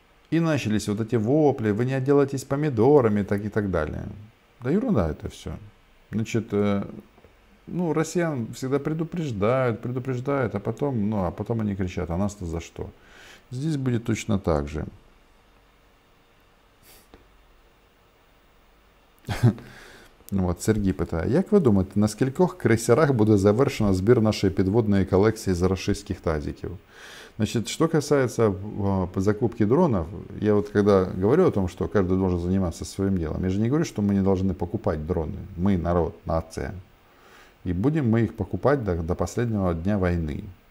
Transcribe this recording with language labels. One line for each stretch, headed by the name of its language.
Russian: И начались вот эти вопли, вы не отделаетесь помидорами, так и так далее. Да ерунда это все. Значит, ну, россиян всегда предупреждают, а потом они кричат, а нас-то за что? Здесь будет точно так же.
Ukrainian: Вот, Сергій питає, як ви думаєте, на скількох крейсерах буде завершено збір нашої підводної колекції з російських тазиків?
Russian: Значит, что касается закупки дронов, я вот когда говорю о том, что каждый должен заниматься своим делом, я же не говорю, что мы не должны покупать дроны. Мы народ, нация. И будем мы их покупать до последнего дня войны.